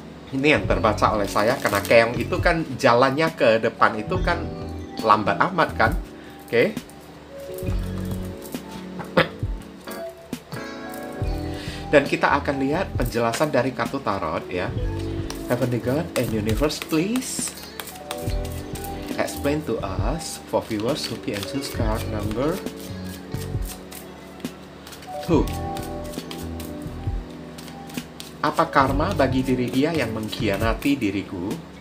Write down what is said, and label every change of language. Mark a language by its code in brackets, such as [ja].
[id] Ini yang terbaca oleh saya, karena keong itu kan jalannya ke depan itu kan lambat amat kan. Oke. Dan kita akan lihat penjelasan dari kartu tarot ya. [en] Heavenly God and Universe, please explain to us for viewers who PM Sue's card number 2. [id] Apa karma bagi diri dia yang mengkhianati diriku?